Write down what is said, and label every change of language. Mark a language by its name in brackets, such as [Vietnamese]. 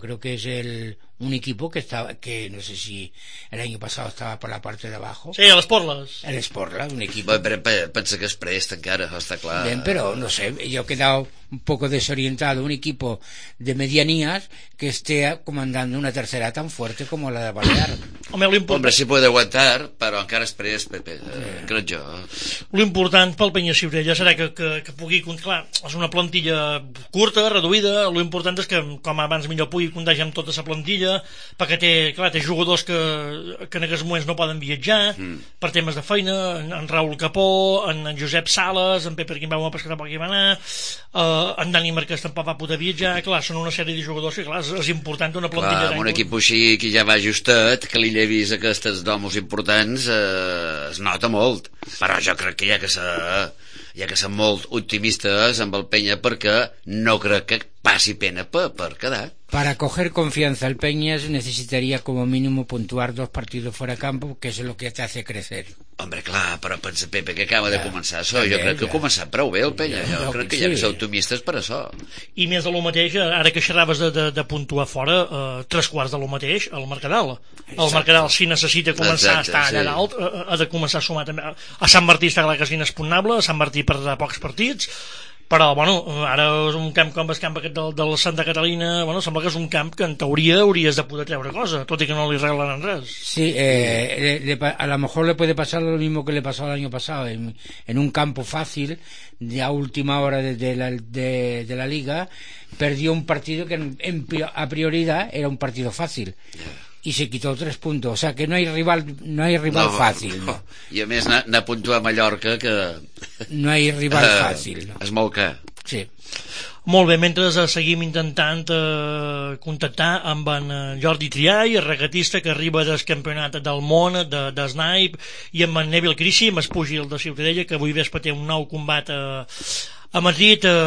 [Spanish] Creo que es un equipo que estaba, que no sé si el año pasado estaba por la parte de abajo. [Catalan] Sí, a l'Esporles. [Spanish] El Esporles, un equipo. [Catalan] Pensa que es prest encara, està clar. [Spanish] Bien, pero no sé, yo he quedado un poco desorientado. Un equipo de medianías que esté comandando una tercera tan fuerte como la de Balear. Hombre, sí puede aguantar, pero [Catalan] encara es prest, [Spanish] Pepe, creo yo. Lo importante para el Penya Ciutadella será que [Catalan] pugui... Clar, es una plantilla curta, reduïda. [Spanish] Lo importante es que, [Catalan] com abans millor, pugui contagiar amb tota esa plantilla, perquè té jugadors que en aquests moments no poden viatjar per temes de feina, en Raül Capó, en Josep Sales, en Pepe Quimbau, que tampoc hi va anar, en Dani Marquès tampoc va poder viatjar. Clar, són una sèrie de jugadors que, clar, és important una plantilla. Clar, amb un equip així que ja va ajustat, que li llevis aquestes domos importants, es nota molt, però jo crec que ja que són molt optimistes amb el Penya, perquè no crec que passi pena per quedar. [Spanish] Para coger confianza al Peñas necesitaría como mínimo puntuar 2 partidos fuera campo, que es lo que te hace crecer. [Catalan] Hombre, clar, però pensa, Pepe, que acaba de començar això. Jo crec que ha començat prou bé el Peñas. Jo crec que hi ha més optimistes per això. I més de lo mateix, ara que xerraves de puntuar fora, 3/4 de lo mateix, al Mercadal. El Mercadal, si necessita començar a estar allà dalt, ha de començar a sumar també. A Sant Martí està clar que és inexpugnable, a Sant Martí perdrà pocs partits. Però, bueno, ara és un camp com el camp aquest de la Santa Catalina, bueno, sembla que és un camp que en teoria hauries de poder treure cosa, tot i que no li regalaran res. [Spanish] Sí, a lo mejor le puede pasar lo mismo que le pasó el año pasado, en un campo fácil, a última hora de la Liga, perdió un partido que a prioridad era un partido fácil. Y se quitó 3 puntos, o sea que no hay rival fácil. No. [Catalan] Y a més n'ha puntuat Mallorca, que... [Spanish] No hay rival fácil. [Catalan] És molt que... Sí. Molt bé, mentre seguim intentant contactar amb en Jordi Triay, regatista que arriba del campionat del món de Snaip, i amb en Neville Crissi, amb Espúgil de Ciutadella, que avui vespre té un nou combat a Madrid.